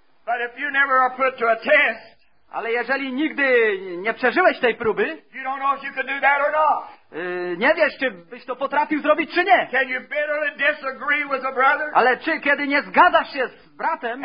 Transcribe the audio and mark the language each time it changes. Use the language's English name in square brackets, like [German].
[English] But if you never are put to a test, [Polish] ale jeżeli nigdy nie przeżyłeś tej próby, [English] you don't know if you can do that or not. [Polish] Nie wiesz, czy byś to potrafił zrobić, czy nie. [English] Can you bitterly disagree with a brother? [Polish] Ale czy kiedy nie zgadzasz się z bratem,